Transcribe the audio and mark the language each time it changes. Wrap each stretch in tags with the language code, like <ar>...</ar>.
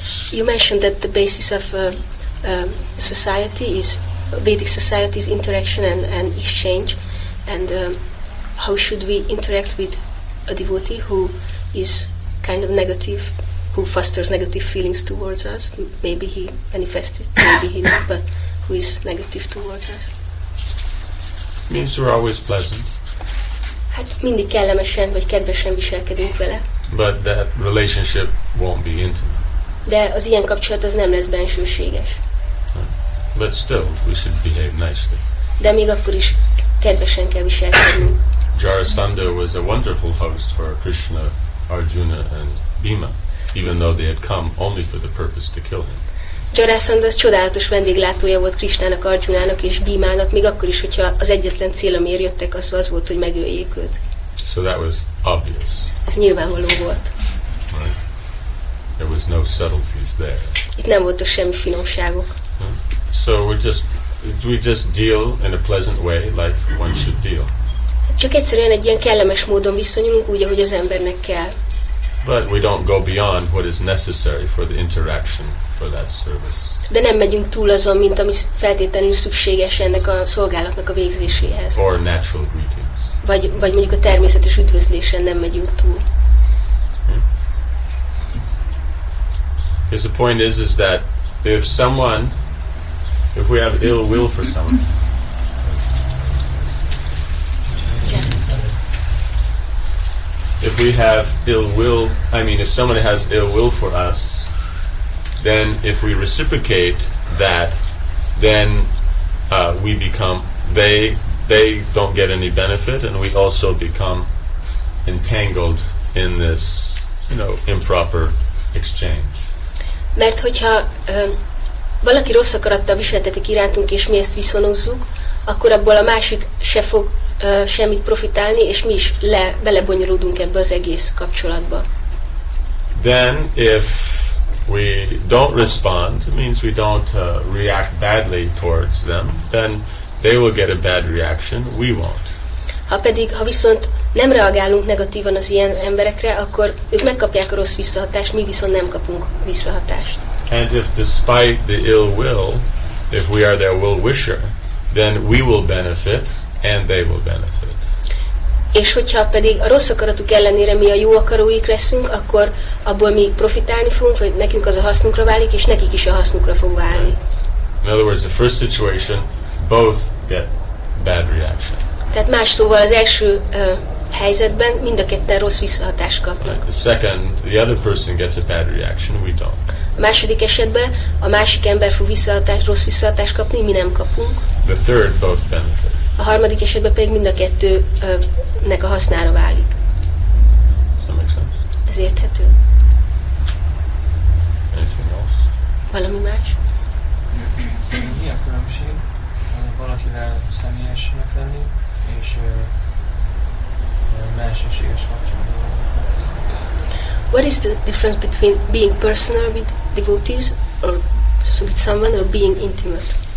<en>You mentioned that the basis of society is Vedic society's interaction and exchange, and how should we interact with a devotee who is kind of negative, who fosters negative feelings towards us? Maybe he manifests it, maybe he not, but who is negative towards us? Means we're always pleasant.</en> <hu>Hát mindig kellemesen vagy kedvesen viselkedünk vele.</hu> <en>But that relationship won't be intimate.</en> <hu>De az ilyen kapcsolat az nem lesz bensőséges.</hu> <en>But still, we should behave nicely.</en> <hu>De még akkor is kedvesen kell viselkedni.</hu> <en>Jarasandha was a wonderful host for Krishna, Arjuna and Bhima, even though they had come only for the purpose to kill him.</en> <hu>Jarasandha csodálatos vendéglátója volt Krishnának, Arjunának és Bhimának, még akkor is, hogyha az egyetlen cél, amiért jöttek, az volt, hogy megöljék őt.</hu> <en>So that was obvious.</en> <hu>Ez nyilvánvaló volt.</hu> <en>There was no subtleties there.</en> <hu>Itt nem voltak semmi finomságok.</hu> <en>So we just deal in a pleasant way, like one should deal.</en> <hu>Csak egyszerűen egy ilyen kellemes módon viszonyulunk, úgy, ahogy az embernek kell.</hu> <en>But we don't go beyond what is necessary for the interaction for that service.</en> <hu>De nem megyünk túl azon, mint ami feltétlenül szükséges ennek a szolgálatnak a végzéséhez.</hu> <en>Or natural greetings.</en> <hu>Vagy mondjuk a természetes üdvözlésen nem megyünk túl.</hu> <en>Because the point is that if we have ill will for someone, if someone has ill will for us, then if we reciprocate that, then we become, they don't get any benefit, and we also become entangled in this, improper exchange.</en> <hu>Mert hogyha valaki rossz akarattal viseltetik irántunk, és mi ezt viszonozzuk, akkor abból a másik se fog semmit profitálni, és mi is belebonyolódunk ebbe az egész kapcsolatba.</hu> <en>Then if we don't respond, means we don't react badly towards them, then they will get a bad reaction, we won't.</en> <hu>Ha viszont nem reagálunk negatívan az ilyen emberekre, akkor ők megkapják a rossz visszahatást, mi viszont nem kapunk visszahatást.</hu> <en>And if despite the ill will, if we are their will wisher, then we will benefit and they will benefit.</en> <hu>És hogyha pedig a rossz akaratuk ellenére mi a jó akaróik leszünk, akkor abból mi profitálni fogunk, vagy nekünk az a hasznunkra válik, és nekik is a hasznunkra fog válni.</hu> <en>In other words, the first situation, both get bad reaction.</en> <hu>Tehát más szóval az első helyzetben mind a ketten rossz visszahatást kapnak.</hu> <en>The second, the other person gets a bad reaction, we don't.</en> <hu>A második esetben a másik ember fog rossz visszahatást kapni, mi nem kapunk.</hu> <en>The third, both benefit.</en> <hu>A harmadik esetben pedig mind a kettőnek a hasznára válik. Ez érthető.</hu> <en>Anything else?</en> <hu>Valami más? Mi a különbség valakivel személyesnek lenni, és mesterséges kapcsolatban?</hu> <en>What is the difference between being personal with devotees or with someone or being intimate?</en>